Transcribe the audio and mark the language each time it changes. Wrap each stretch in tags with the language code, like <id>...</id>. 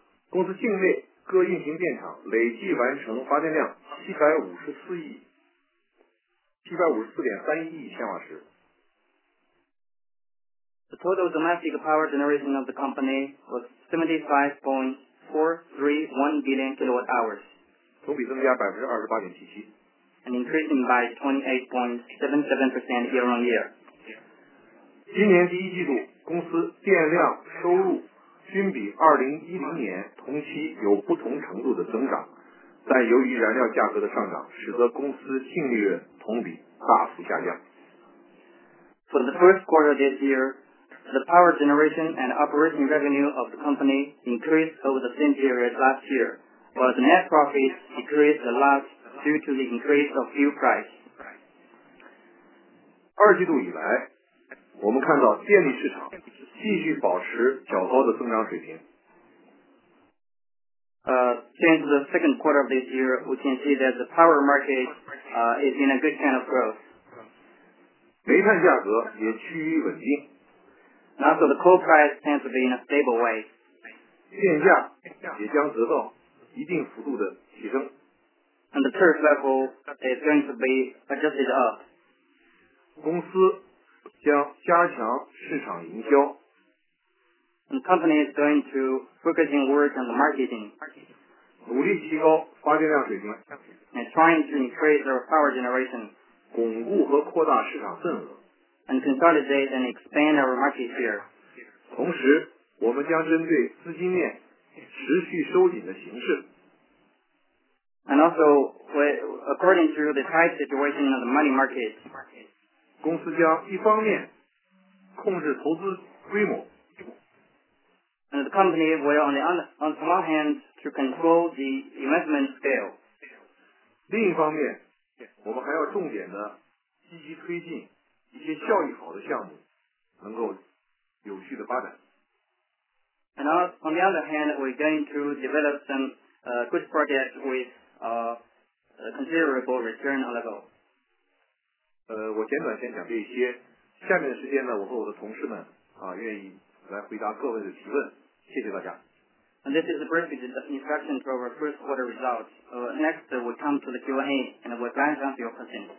<zh>公司境内各运行电厂累计完成发电量754.31亿千瓦时。</zh> <en>The total domestic power generation of the company was 75.431 billion kilowatt hours.</en> <zh>同比增加28.77%。</zh> <en>And increasing by 28.77% year on year.</en> <zh>今年第一季度，公司电量收入均比2010年同期有不同程度的增长，但由于燃料价格的上涨，使得公司净利润同比大幅下降。</zh> <en>For the first quarter this year, the power generation and operating revenue of the company increased over the same period last year, but the net profit decreased a lot due to the increase of fuel price.</en> <zh>二季度以来，我们看到电力市场继续保持较高的增长水平。</zh> <en>Since the second quarter of this year, we can see that the power market, is in a good kind of growth.</en> <zh>煤炭价格也趋于稳定。</zh> <en>Now, so the coal price tends to be in a stable way.</en> <zh>电价也将得到一定幅度的提升。</zh> <en>And the tariff level is going to be adjusted up.</en> <zh>公司将加强市场营销。</zh> <en>And the company is going to focus in work on the marketing.</en> <zh>努力提高发电量水平。</zh> <en>And trying to increase our power generation.</en> <zh>巩固和扩大市场份额。</zh> <en>And consolidate and expand our market share.</en> <zh>同时，我们将针对资金链持续收紧的形势。</zh> <en>And also, according to the tight situation of the money market,</en> <zh>公司将一方面控制投资规模。</zh> <en>And the company will on the one hand to control the investment scale.</en> <zh>另一方面，我们还要重点的积极推进一些效益好的项目，能够有序的发展。</zh> <en>And on the other hand, we're going to develop some good projects with considerable return level.</en> <zh>我简短先讲这些。下面的时间呢，我和我的同事们愿意来回答各位的提问。谢谢大家。</zh> <en>And this is a brief introduction to our first quarter results. Next, we come to the Q&A, and we'll glad to answer your questions.</en>